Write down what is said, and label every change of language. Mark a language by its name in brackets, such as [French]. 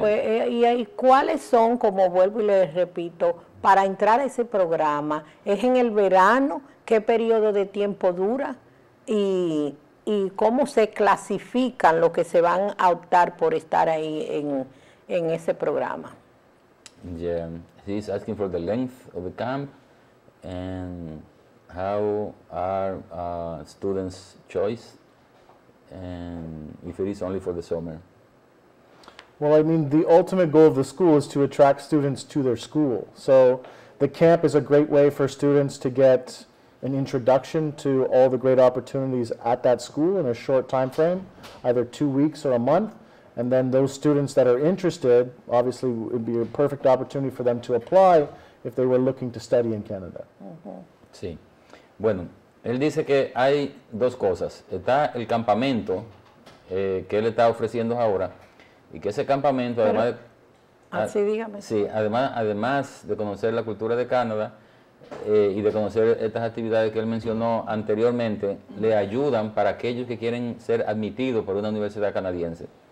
[Spanish] Pues, ¿y cuáles son, como vuelvo y les repito, para entrar a ese programa? ¿Es en el verano? ¿Qué periodo de tiempo dura? ¿Y cómo se clasifican los que se van a optar por estar ahí en ese programa? [English] Yeah, he's asking for the length of the camp and how are students' choice and if it is only for the summer. Well, I mean, the ultimate goal of the school is to attract students to their school. So the camp is a great way for students to get an introduction to all the great opportunities at that school in a short time frame, either 2 weeks or a month. And then those students that are interested, obviously, it would be a perfect opportunity for them to apply if they were looking to study in Canada. [Spanish] Mm-hmm. Sí. Bueno, él dice que hay dos cosas. Está el campamento que él está ofreciendo ahora. Y que ese campamento, además de, así dígame. Sí, además de conocer la cultura de Canadá y de conocer estas actividades que él mencionó anteriormente, le ayudan para aquellos que quieren ser admitidos por una universidad canadiense.